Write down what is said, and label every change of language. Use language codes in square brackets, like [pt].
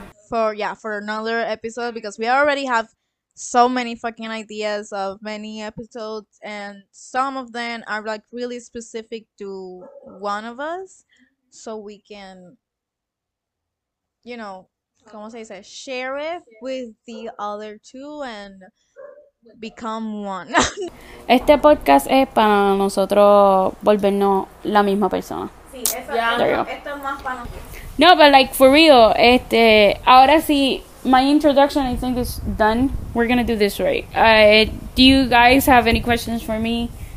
[en] For another episode, because we already have so many fucking ideas of many episodes, and some of them are like really specific to one of us, so we can, you know, [es] como se dice, [en] share it with the other two and become one. [es] Este podcast es para nosotros volvernos la misma persona. Sí, esto es más para nosotros. [en] No, but like for real, [es] ahora sí, [en] my introduction I think is done. We're gonna do this right. Do you guys have any questions for me?